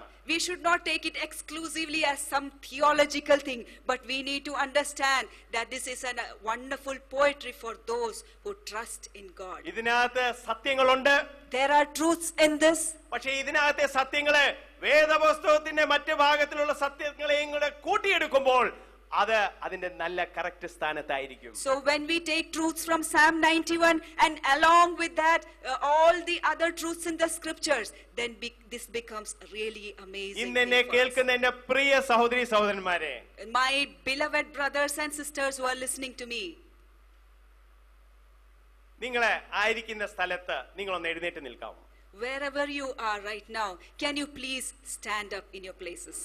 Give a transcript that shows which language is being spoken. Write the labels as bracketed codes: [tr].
[en] We should not take it exclusively as some theological thing, but we need to understand that this is a wonderful poetry for those who trust in God. [ml] ഇതിനകത്തെ സത്യങ്ങളുണ്ട്. [en] There are truths in this. [ml] പക്ഷേ ഇതിനകത്തെ സത്യങ്ങളെ വേദപുസ്തകത്തിന്റെ മറ്റു ഭാഗത്തിലുള്ള സത്യങ്ങളെയും കൂടി കൂട്ടിയെടുക്കുമ്പോൾ അത് അതിന്റെ നല്ല correct സ്ഥാനത്തായിരിക്കും [en] so when we take truths from psalm 91 and along with that all the other truths in the scriptures then this becomes really amazing [ml] ഇന്നെ കേൾക്കുന്ന എന്റെ പ്രിയ സഹോദരി സഹോദരന്മാരെ [en] my beloved brothers and sisters who are listening to me [ml] നിങ്ങളെ ആയിരിക്കുന്ന സ്ഥലത്തെ നിങ്ങൾ ഒന്ന് എഴുന്നേറ്റ് നിൽക്കാം [en] wherever you are right now can you please stand up in your places